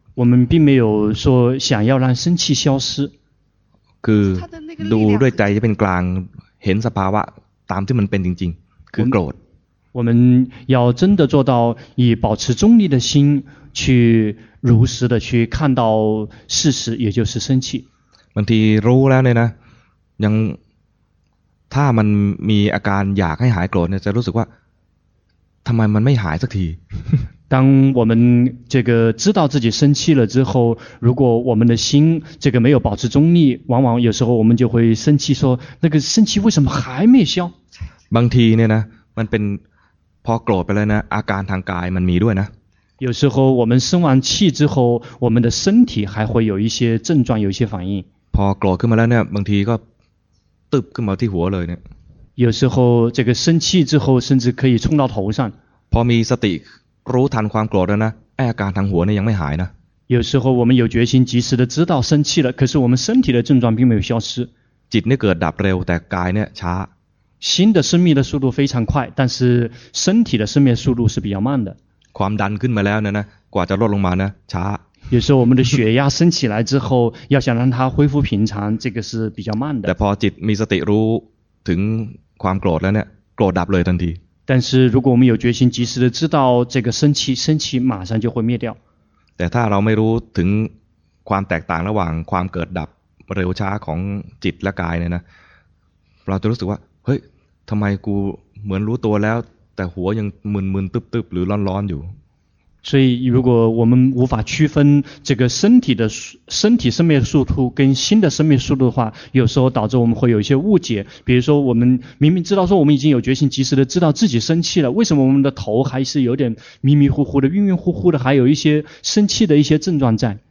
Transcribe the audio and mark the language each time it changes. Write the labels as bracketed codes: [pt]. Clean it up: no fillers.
[zh] 我们并没有说想要让生气消失 [th] คือดูด้วยใจจะเป็นกลางเห็นสภาวะตามที่มันเป็นจริงๆคือโกรธ [zh] 我们要真的做到以保持中立的心去如实的去看到事实也就是生气 [th] บางทีรู้แล้วเนี่ยนะยังถ้ามันมีอาการอยากให้หายโกรธเนี่ยจะรู้สึกว่าทำไมมันไม่หายสักที [zh] 当我们这个知道自己生气了之后如果我们的心这个没有保持中立往往有时候我们就会生气说那个生气为什么还没消 [th] บางทีเนี่ยนะมันเป็นพอโกรธไปแล้วนะอาการทางกายมันมีด้วยนะ [zh] 有时候我们生完气之后我们的身体还会有一些症状有一些反应 [th] พอโกรธขึ้นมาแล้วเนี่ยบางทีก็ตึบขึ้นมาที่หัวเลยเนี่ย [zh] 有时候这个生气之后甚至可以冲到头上 [th] พอมีสติรู้ทันความโกรธแล้วนะอาการทางหัวเนี่ยยังไม่หายนะ [zh] 有时候我们有决心及时的知道生气了可是我们身体的症状并没有消失 [th] จิตเนี่ยเกิดดับเร็วแต่กายเนี่ยช้า [zh] 心的生灭的速度非常快但是身体的生灭速度是比较慢的 [th] ความดันขึ้นมาแล้วนะกว่าจะลดลงมานะช้า [zh] 有时候我们的血压升起来之后要想让它恢复平常这个是比较慢的 [th] แต่พอจิตมีสติรู้ถึงความโกรธแล้วเนี่ยโกรธดับเลยทันที [zh] 但是如果我们有决心及时的知道这个生气马上就会灭掉 [th] แต่ถ้าเราไม่รู้ถึงความแตกต่างระหว่างความเกิดดับเร็วช้าของจิตและกายเนี่ยนะเราจะรู้สึกว่าเฮ้ยทำไมกูเหมือนรู้ตัวแล้วแต่หัวยังมึนๆตึ๊บๆหรือร้อนๆอยู่ [zh] 所以如果我们无法区分这个身体生灭速度跟心的生灭速度的话有时候导致我们会有一些误解比如说我们明明知道说我们已经有决心及时的知道自己生气了为什么我们的头还是有点迷迷糊糊的晕晕乎乎的还有一些生气的一些症状在